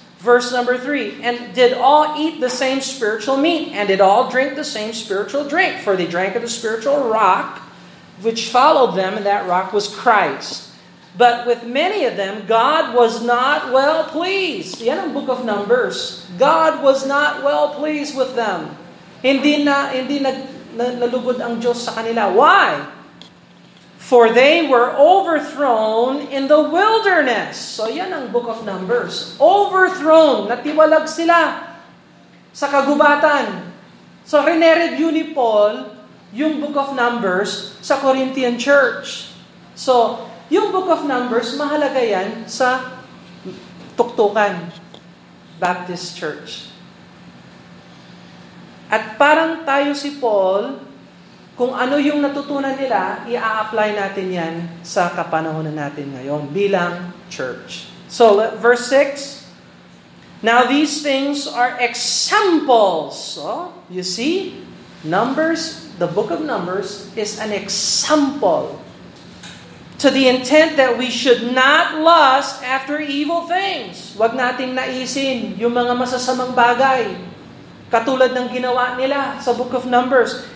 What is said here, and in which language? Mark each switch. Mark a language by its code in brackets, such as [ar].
[en] Verse number 3, and did all eat the same spiritual meat, and did all drink the same spiritual drink, for they drank of the spiritual rock which followed them, and that rock was Christ. But with many of them, God was not well pleased. [tl] Yan ang [en] Book of Numbers. God was not well pleased with them. [tl] Hindi nalugod ang Diyos sa kanila. [en] Why? For they were overthrown in the wilderness. [tl] So yan ang Book of Numbers. Overthrown. Natiwalag sila sa kagubatan. So rinereview ni Paul yung Book of Numbers sa Corinthian church. So yung Book of Numbers, mahalaga yan sa Tuktukan Baptist Church. At parang tayo si Paul, kung ano yung natutunan nila, i-a-apply natin yan sa kapanahonan natin ngayon bilang church. [en] So, verse 6. Now, these things are examples. So, you see, Numbers, the Book of Numbers, is an example to the intent that we should not lust after evil things. [tl] Huwag nating naisin yung mga masasamang bagay. Katulad ng ginawa nila sa Book of Numbers.